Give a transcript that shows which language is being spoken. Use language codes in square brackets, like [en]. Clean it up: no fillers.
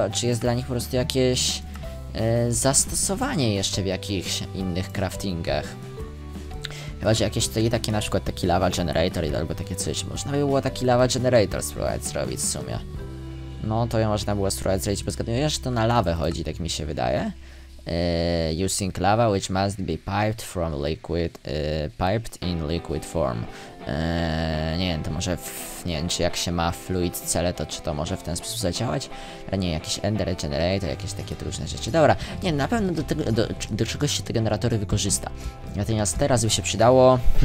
[pl] czy jest dla nich po prostu jakieś... zastosowanie jeszcze w jakichś innych craftingach. Chyba, że jakieś tutaj takie na przykład taki lava generator albo takie coś, można by było taki lava generator spróbować zrobić w sumie. No to ja można było spróbować zrobić, bo zgaduję, że to na lawę chodzi, tak mi się wydaje. [en] Using lava which must be piped from liquid, piped in liquid form. [pl] Nie wiem, to może, nie wiem, czy jak się ma fluid cele, to czy to może w ten sposób zadziałać? Ale nie, jakiś ender generator, jakieś takie różne rzeczy. Dobra, nie, na pewno do czegoś się te generatory wykorzysta. Natomiast teraz by się przydało...